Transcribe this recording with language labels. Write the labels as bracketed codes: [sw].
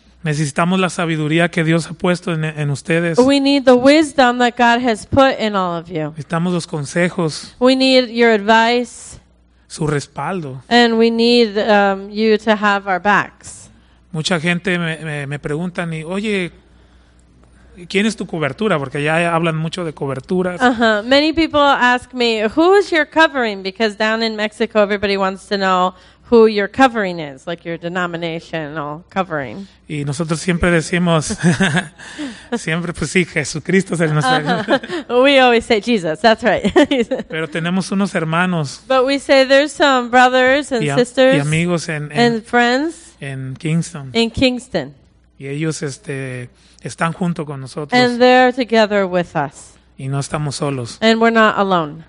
[es] Necesitamos la sabiduría que Dios ha puesto en ustedes. [en] We need the wisdom that God has put in all of you. [es] Necesitamos los consejos. [en] We need your advice. [es] Su respaldo. [en] And we need you to have our backs. [es] Mucha gente me preguntan y, oye, ¿quién es tu cobertura? Porque ya hablan mucho de coberturas. Uh-huh. [en] Many people ask me, who is your covering? Because down in Mexico, everybody wants to know who your covering is, like your denominational covering. [es] Y nosotros siempre decimos, siempre, pues sí, Jesucristo es el nuestro. [en] We always say Jesus, that's right. [es] Pero tenemos unos hermanos. [en] But we say there's some brothers and sisters. [es] Y amigos [en] and friends. [es] En Kingston. [en] In Kingston. [es] Y ellos están junto con nosotros. [en] And they're together with us. [es] Y no estamos solos. [en] And we're not alone.